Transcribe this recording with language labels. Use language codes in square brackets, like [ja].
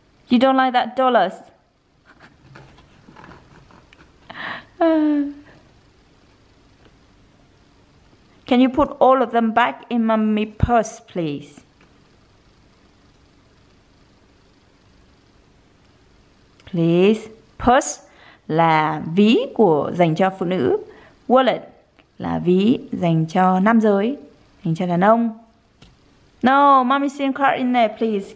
[en] You don't like that dollars? Can you put all of them back in mommy purse, please? [vi] Please, purse là ví của dành cho phụ nữ, wallet là ví dành cho nam giới, dành cho đàn ông. [en] No, mommy's SIM card in there, please.